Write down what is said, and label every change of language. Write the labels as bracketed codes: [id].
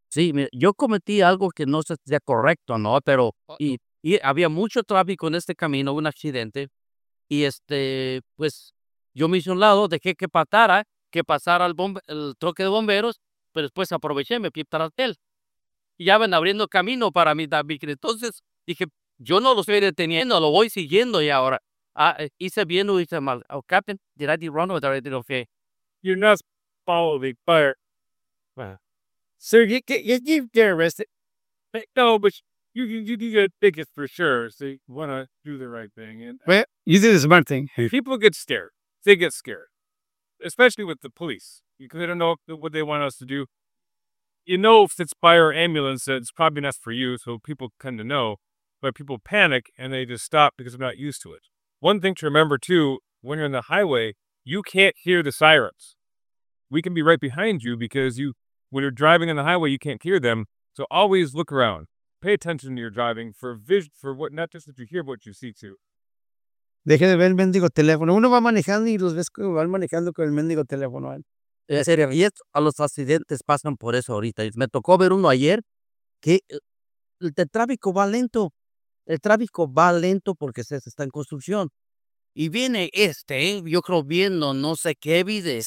[es] Sí, yo cometí algo que no sea correcto, ¿no? Pero y había mucho tráfico en este camino, un accidente, y pues yo me hice un lado, dejé que pasara, el troque de bomberos, pero después aproveché, me fui tras él. Y ya ven abriendo camino para mí también. Entonces dije, yo no lo estoy deteniendo, lo voy siguiendo y ahora. Hice bien o hice mal. [en] Oh, Captain, did I do wrong or did I do okay? You're not following the fire. So you get arrested. No, but you can get tickets for sure. So you want to do the right thing. And well, you did the smart thing. People get scared. They get scared. Especially with the police. Because they don't know what they want us to do. You know, if it's fire or ambulance, it's probably not for you. So people kind of know. But people panic and they just stop because they're not used to it. One thing to remember too, when you're on the highway, you can't hear the sirens. We can be right behind you because you, when you're driving on the highway, you can't hear them. So always look around. Pay attention to your driving for vision, for what, not just what you hear, but what you see too. [es] Deje de ver el mendigo teléfono. Uno va manejando y los ves que van manejando con el mendigo teléfono. En serio, y esto, a los accidentes pasan por eso ahorita. Me tocó ver uno ayer que el tráfico va lento. El tráfico va lento porque se está en construcción. Y viene yo creo viendo no sé qué vide.